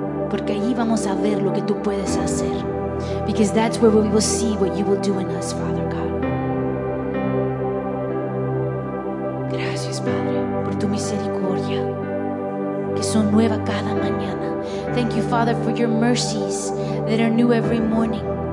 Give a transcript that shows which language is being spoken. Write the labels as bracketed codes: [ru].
[es] Porque allí vamos a ver lo que tú puedes hacer. [en] Because that's where we will see what you will do in us, Father God. [es] Gracias, Padre, por tu misericordia, que son nueva cada mañana. [en] Thank you, Father, for your mercies that are new every morning.